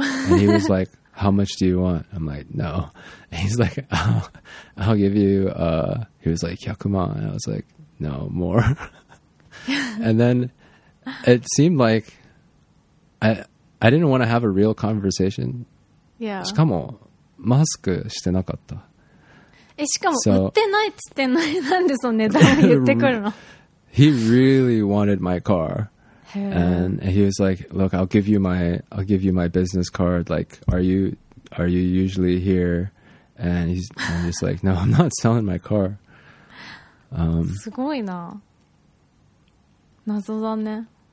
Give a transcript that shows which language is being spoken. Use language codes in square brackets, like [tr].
[en] and he was like, how much do you want? I'm like, no. And he's like, I'll give you, he was like, Yakuman. And I was like, no, more. and then it seemed like I didn't want to have a real conversation. Yeah. [ja] しかもマスクしてなかった。しかも売ってないっつってない。なんでその値段を言ってくるの? [en] He really wanted my car. And he was like, look, I'll give you my business card. Like, are you usually here? And he's like, no, I'm not selling my car. [ja] すごいな。謎だね。